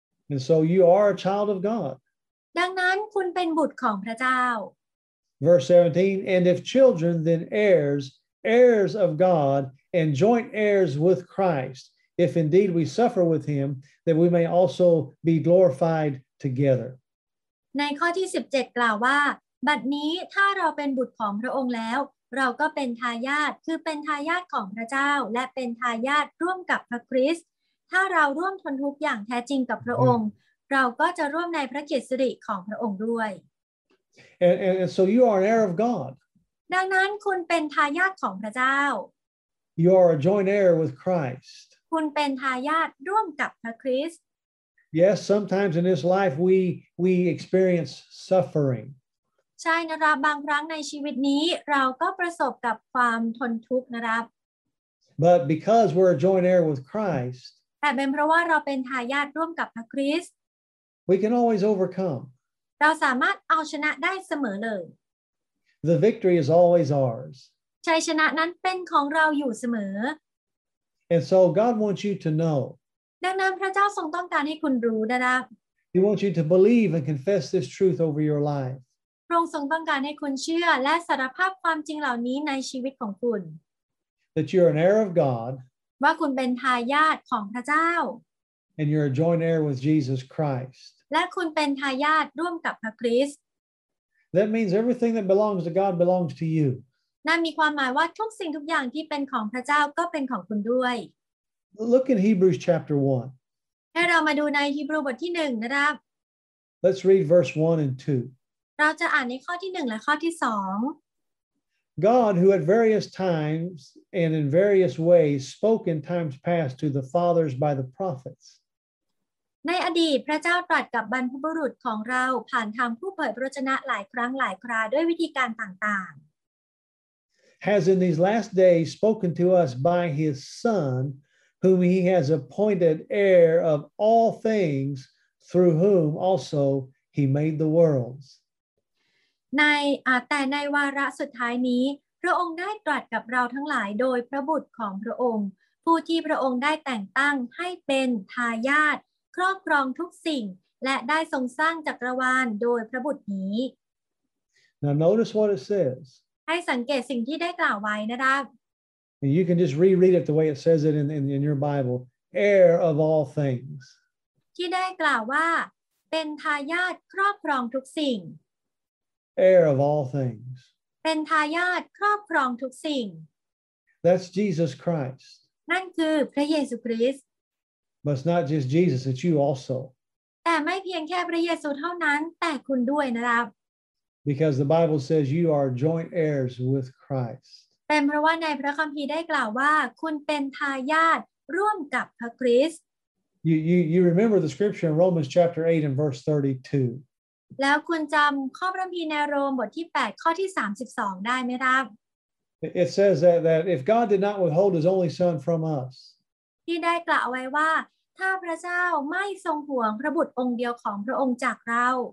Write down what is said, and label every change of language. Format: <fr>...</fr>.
<en>And so you are a child of God</en> <th>ดังนั้นคุณเป็นบุตรของพระเจ้า</th> <en>Verse 17 And if children then heirs of God and joint heirs with Christ if indeed we suffer with him that we may also be glorified together</en> <th>ในข้อที่17กล่าวว่าบัดนี้ถ้าเราเป็นบุตรของพระองค์แล้วเราก็เป็นทายาทคือเป็นทายาทของพระเจ้าและเป็นทายาทร่วมกับพระคริสต์ถ้าเราร่วมทนทุกข์อย่างแท้จริงกับพระองค์เราก็จะร่วมในพระเกียรติสิริของพระองค์ด้วย</th> <en>And so you are an heir of God</en> <th>ดังนั้นคุณเป็นทายาทของพระเจ้า</th> <en>You are a joint heir with Christ</en> <th>คุณเป็นทายาทร่วมกับพระคริสต์</th> <en>Yes sometimes in this life we experience suffering</en> <th>ใช่นะครับบางครั้งในชีวิตนี้เราก็ประสบกับความทนทุกข์นะครับ</th> <en>But because we're a joint heir with Christ</en> <th>แต่เป็นเพราะว่าเราเป็นทายาทร่วมกับพระคริสต์</th> <en>We can always overcome</en> <th>เราสามารถเอาชนะได้เสมอเลย</th> <en>The victory is always ours</en> <th>ชัยชนะนั้นเป็นของเราอยู่เสมอ</th> <en>And so God wants you to know</en> <th>ดังนั้นพระเจ้าทรงต้องการให้คุณรู้นะครับ</th> <en>He wants you to believe and confess this truth over your life</en> <th>พระองค์ทรงต้องการให้คุณเชื่อและสารภาพความจริงเหล่านี้ในชีวิตของคุณ</th> <en>That you're an heir of God</en> <th>ว่าคุณเป็นทายาทของพระเจ้า</th> <en>And you're a joint heir with Jesus Christ</en> <th>และคุณเป็นทายาทร่วมกับพระคริสต์</th> <en>That means everything that belongs to God belongs to you</en> <th>นั่นมีความหมายว่าทุกสิ่งทุกอย่างที่เป็นของพระเจ้าก็เป็นของคุณด้วย</th> <en>Look in Hebrews chapter 1</en> <th>ให้เรามาดูในฮีบรูบทที่1นะครับ</th> <en>Let's read verse 1 and 2</en> <th>เราจะอ่านในข้อที่1และข้อที่2</th> <en>God who at various times and in various ways spoke in times past to the fathers by the prophets</en> <th>ในอดีตพระเจ้าตรัสกับบรรพบุรุษของเราผ่านทางผู้เผยพระวจนะหลายครั้งหลายคราด้วยวิธีการต่างๆ</th> <en>has in these last days spoken to us by his Son, whom he has appointed heir of all things, through whom also he made the worlds.</en> <th>ในวาระสุดท้ายนี้พระองค์ได้ตรัสกับเราทั้งหลายโดยพระบุตรของพระองค์ผู้ที่พระองค์ได้แต่งตั้งให้เป็นทายาทครอบครองทุกสิ่งและได้ทรงสร้างจักรวาลโดยพระบุตรนี้</th> <en>Now notice what it says</en> <th>ให้สังเกตสิ่งที่ได้กล่าวไว้นะครับ</th> <en>You can just reread it the way it says it in your Bible heir of all things</en> <th>ที่ได้กล่าวว่าเป็นทายาทครอบครองทุกสิ่ง</th> <en>heir of all things</en> <th>เป็นทายาทครอบครองทุกสิ่ง</th> <en>That's Jesus Christ.</en> <th>นั่นคือพระเยซูคริสต์</th> <en>But it's not just Jesus, it's you also.</en> <th>แต่ไม่เพียงแค่พระเยซูเท่านั้นแต่คุณด้วยนะครับ</th> <en>Because the Bible says you are joint heirs with Christ.</en> <th>เป็นเพราะว่าในพระคัมภีร์ได้กล่าวว่าคุณเป็นทายาทร่วมกับพระคริสต์</th> <en>You remember the scripture in Romans chapter 8 and verse 32.</en> <th>แล้วคุณจำข้อพระคัมภีร์ในโรมบทที่8ข้อที่32ได้ไหมครับ</th> <en>It says that if God did not withhold his only son from us</en> <th>ที่ได้กล่าวไว้ว่าถ้าพระเจ้าไม่ทรงหวงพระบุตรองค์เดียวของพระองค์จากเรา</th>